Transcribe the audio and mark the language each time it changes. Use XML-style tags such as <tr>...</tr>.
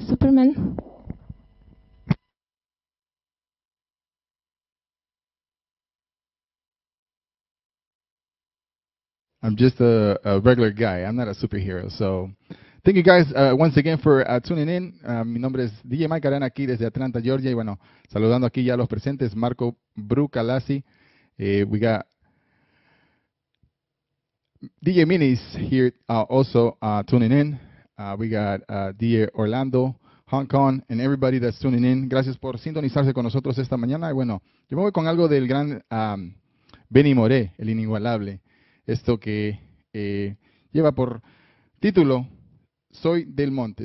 <en>Superman? I'm just a regular guy. I'm not a superhero. So thank you guys once again for tuning in.</en> <es>Mi nombre es DJMike Arana aquí desde Atlanta, Georgia. Y bueno, saludando aquí ya a los presentes, Marco Brucalassi.</es> <en>We got DJ Minis here also tuning in. We got DJ Orlando, Hong Kong, and everybody that's tuning in.</en> <es>Gracias por sintonizarse con nosotros esta mañana. Y bueno, yo me voy con algo del gran Benny Moré, el inigualable. Esto que lleva por título, Soy del Monte.</es>